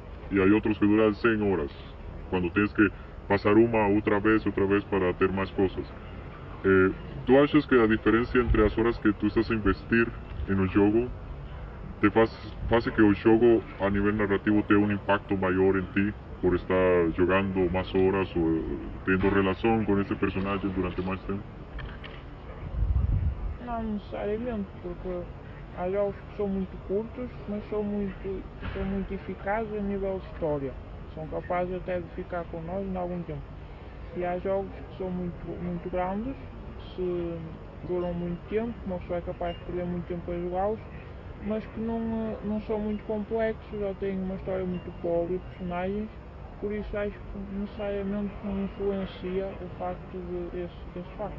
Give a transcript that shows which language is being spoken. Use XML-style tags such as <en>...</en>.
<pt>E há outros que duram 100 horas, quando tens que passar uma outra vez para ter mais coisas. Tu achas que a diferença entre as horas que tu estás a investir no jogo te faz que o jogo a nível narrativo tenha um impacto maior em ti</pt> <es>por estar jugando más horas o teniendo relación con ese personaje durante más tiempo?</es> <pt>Não necessariamente, porque há jogos que são muito curtos, mas são muito eficazes a nível de história. São capazes até de ficar com nós em algum tempo. E há jogos que são muito, muito grandes, que se duram muito tempo, uma pessoa é capaz de perder muito tempo a jogá-los, mas que não são muito complexos, já têm uma história muito pobre e personagens, por isso acho que necessariamente não influencia o facto desse facto.</pt>